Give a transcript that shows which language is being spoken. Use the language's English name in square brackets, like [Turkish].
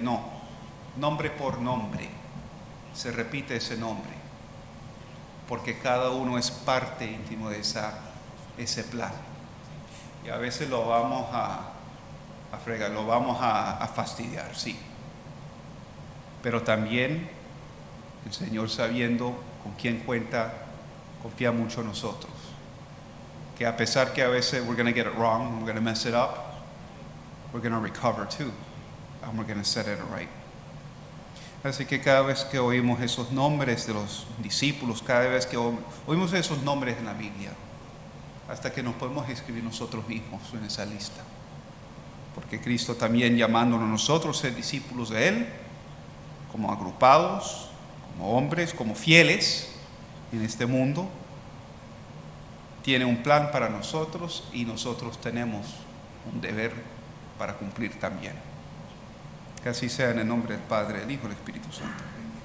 [Spanish] No, nombre por nombre. Se repite ese nombre, porque cada uno es parte íntimo de ese plan. Y a veces lo vamos a fregar, lo vamos a fastidiar, sí. Pero también el Señor, sabiendo con quién cuenta, confía mucho en nosotros. Que a pesar que a veces [English] we're going to get it wrong, we're going to mess it up, we're going to recover too, and we're going to set it right. [Spanish] Así que cada vez que oímos esos nombres de los discípulos, cada vez que oímos esos nombres en la Biblia, hasta que nos podemos escribir nosotros mismos en esa lista. Porque Cristo también, llamándonos nosotros a ser discípulos de Él, como agrupados, como hombres, como fieles en este mundo, tiene un plan para nosotros y nosotros tenemos un deber para cumplir también. Que así sea en el nombre del Padre, del Hijo y del Espíritu Santo. Amén.